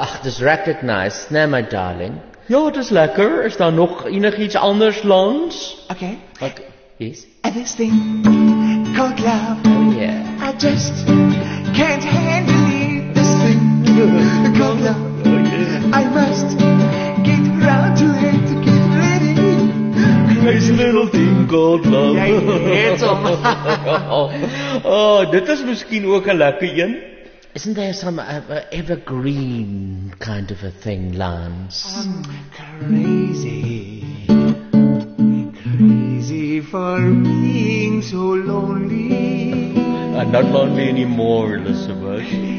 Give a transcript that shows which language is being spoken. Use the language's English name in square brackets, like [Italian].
[Afrikaans] Ach, dis recognized, nee, [English] my darling. [Afrikaans] Ja, dis lekker. Is daar nog enig iets anders langs? [English] Okay. Okay. Yes. And this thing called love. Oh, yeah. I just can't handle it. This thing called love. Oh, yeah. I must get around to it to get ready. Crazy little thing called love. [Afrikaans] Jy het hom. Oh, dit is misschien ook 'n lekker een. [English] Isn't there some evergreen kind of a thing, Lance? Crazy, crazy for being so lonely. I'm not lonely anymore, Elizabeth.